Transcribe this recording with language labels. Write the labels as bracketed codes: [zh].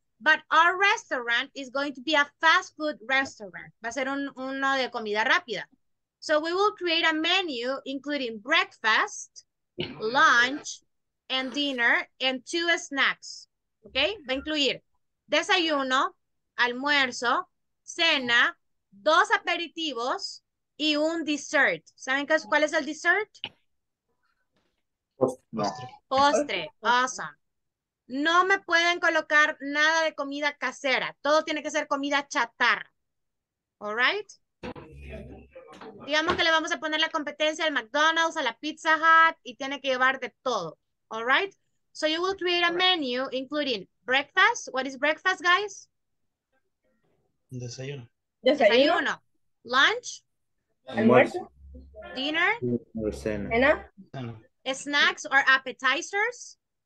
[en] But our restaurant is going to be a fast food restaurant. [es] Va a ser uno de comida rápida. [en] So we will create a menu including breakfast, lunch, and dinner, and two snacks, okay? [es] Va a incluir desayuno, almuerzo, cena, dos aperitivos, y un dessert. ¿Saben cuál es el dessert? Postre. [en] Awesome. [es] No me pueden colocar nada de comida casera. Todo tiene que ser comida chatarra. [en] All right? [es] Digamos que le vamos a poner la competencia al McDonald's, a la Pizza Hut, y tiene que llevar de todo. [en] All right? So you will create a menu including breakfast. What is breakfast, guys? [es] Desayuno. Desayuno. [en] Lunch. [es] Almuerzo. [en] Dinner. [es] Cena. Cena. [en] Snacks or appetizers.